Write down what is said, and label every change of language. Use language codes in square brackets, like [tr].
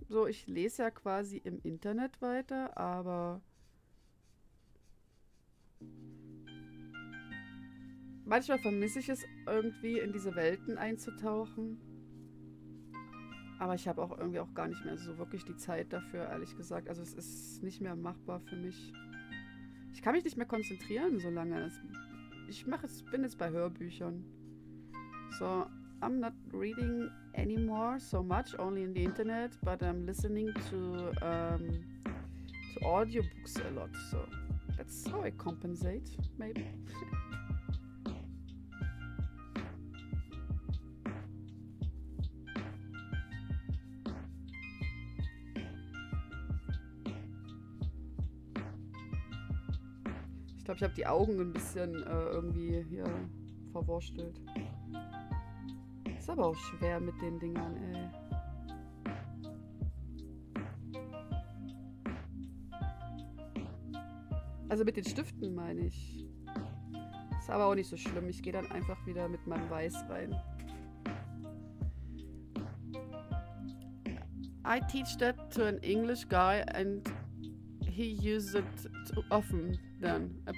[de] So, ich lese ja quasi im Internet weiter, aber manchmal vermisse ich es irgendwie, in diese Welten einzutauchen. Aber ich habe auch irgendwie auch gar nicht mehr so wirklich die Zeit dafür, ehrlich gesagt. Also es ist nicht mehr machbar für mich. Ich kann mich nicht mehr konzentrieren, solange es. Bin jetzt bei Hörbüchern. [en] So, I'm not reading anymore so much, only in the internet, but I'm listening to audiobooks a lot. So that's how I compensate, maybe. [de] Ich glaube, ich habe die Augen ein bisschen irgendwie hier verwurstelt. Ist aber auch schwer mit den Dingern, ey. Also mit den Stiften meine ich. Ist aber auch nicht so schlimm. Ich gehe dann einfach wieder mit meinem Weiß rein. [en] I teach that to an English guy and he uses it too often then.